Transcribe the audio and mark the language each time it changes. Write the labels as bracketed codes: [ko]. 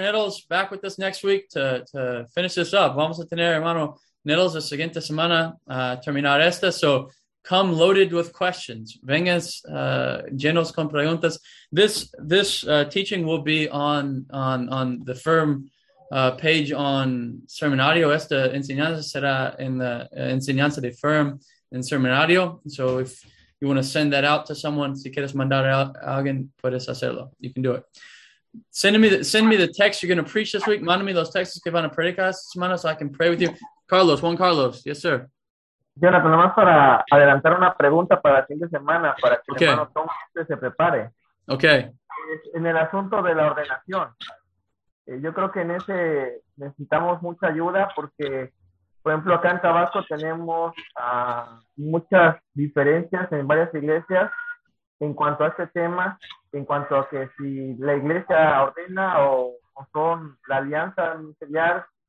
[en] Nettles back with us next week to finish this up. [es] Vamos a tener hermano Nettles la siguiente semana a terminar esta. [en] So come loaded with questions. [es] Vengas llenos con preguntas. [en] This teaching will be on the firm page on Sermonario. [es] Esta enseñanza será en la enseñanza de firm en Sermonario. [en] So if you want to send that out to someone, [es] si quieres mandar a alguien, puedes hacerlo. [en] You can do it. Send me the text you're going to preach this week. [es] Mándame los textos que van a predicar esta semana [en] so I can pray with you. [es] Carlos, Juan Carlos. [en] Yes, sir. [es] Jonathan, nomás para adelantar una pregunta para la siguiente semana, para que okay. El hermano Tom se prepare. Ok. En el asunto de la ordenación, yo creo que en ese necesitamos mucha ayuda porque, por ejemplo, acá en Tabasco tenemos muchas diferencias en varias iglesias en cuanto a este tema, en cuanto a que si la iglesia ordena o son la alianza ministerial.